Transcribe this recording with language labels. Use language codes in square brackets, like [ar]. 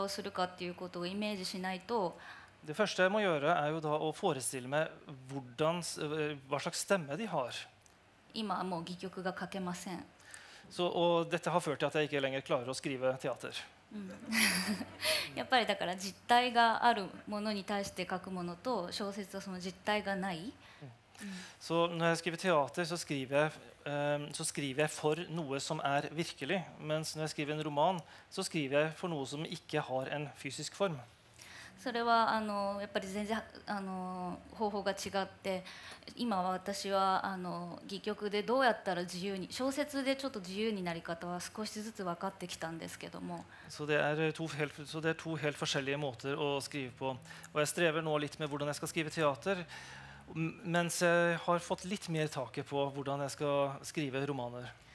[ja] まず彼らがどういう声の持ち主でどういう喋り方をするかっていうことをイメージしないと。 [no] Det første jeg må gjøre er jo da å forestille meg hvordan, hva slags stemme de har. [ja] 今はもう戯曲が書けません。 [no] Så, og dette har ført til at jeg ikke lenger klarer å skrive teater. [ja] やっぱりだから実体があるものに対して書くものと小説はその実体がない。 [no] Så når jeg skriver teater så skriver jeg for noe som er virkelig, mens når jeg skriver en roman så skriver jeg for noe som ikke har en fysisk form. [ja] それはやっぱり全然方法が違って、今は私は戯曲でどうやったら自由に、小説でちょっと自由になり方は少しずつ分かってきたんですけども。 [no] Så det er to helt forskjellige måter å skrive på, og jeg strever nå litt med hvordan jeg skal skrive teater, mens jeg har fått litt mer taket på hvordan jeg skal skrive romaner.